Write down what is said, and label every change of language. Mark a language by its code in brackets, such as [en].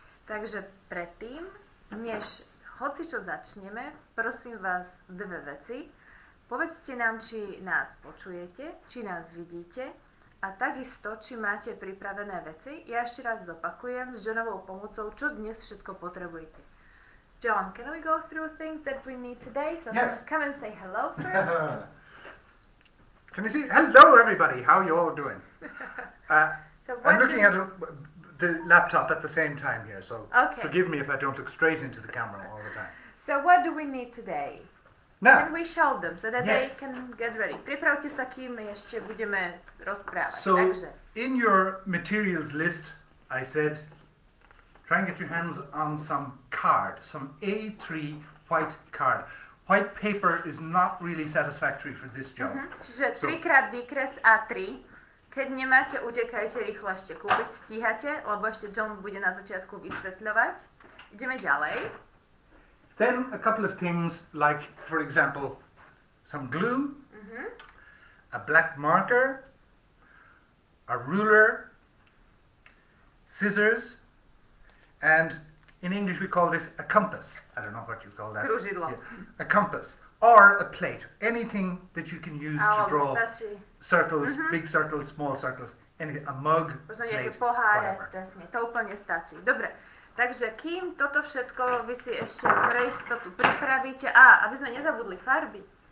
[sk] Takže predtým, než hocičo začneme, prosím vás dve veci. Povedzte nám, či nás počujete, či nás vidíte, a takisto, či máte pripravené veci. Ja ešte raz zopakujem s Johnovou pomocou, čo dnes všetko potrebujete. [en] John, can we go through things that we need today? So yes. Come and say hello first. Can you see? Hello everybody, how are you all doing? So I'm looking at the laptop at the same time here, so okay. Forgive me if I don't look straight into the camera all the time. So what do we need today? No. Can we show them so that they can get ready? [sk] Pripravte sa, kým ešte budeme rozprávať. [en] So, in your materials list, I said, try and get your hands on some card, some A3 white card. White paper is not really satisfactory for this job. [sk] Čiže trikrát výkres A3. Keď nemáte, utekajte rýchlo ešte kúpiť, stíhate, lebo ešte John bude na začiatku vysvetľovať. Ideme ďalej. [en] Then a couple of things like, for example, some glue, a black marker, a ruler, scissors, and in English we call this a compass. I don't know what you call that. [sk] Kružidlo. [en] Yeah. A compass or a plate. Anything that you can use to draw circles, big circles, small circles, anything, a mug, plate, [sk] poháre, [en] whatever. [sk] To úplne stačí. Dobre. Takže kým toto všetko vy si ešte pre istotu pripravíte, a aby sme nezabudli farby.